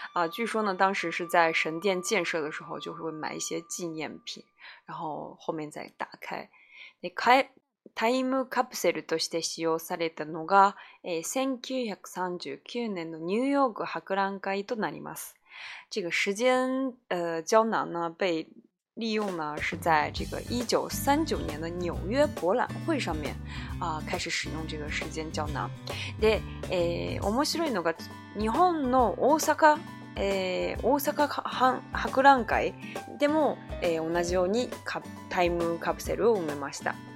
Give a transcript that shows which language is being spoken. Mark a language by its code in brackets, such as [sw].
[zh] 据说呢，当时是在神殿建设的时候，就会买一些纪念品。然后后面再打開。 [ja] で、タイムカプセルとして使用されたのが、1939年のニューヨーク博覧会となります。 [zh] 这个时间胶囊呢被利用呢是在这个1939年的纽约博览会上面开始使用这个时间胶囊。 [ja] で、面白いのが日本の大阪大阪博覧会でも、同じようにタイムカプセルを埋めました。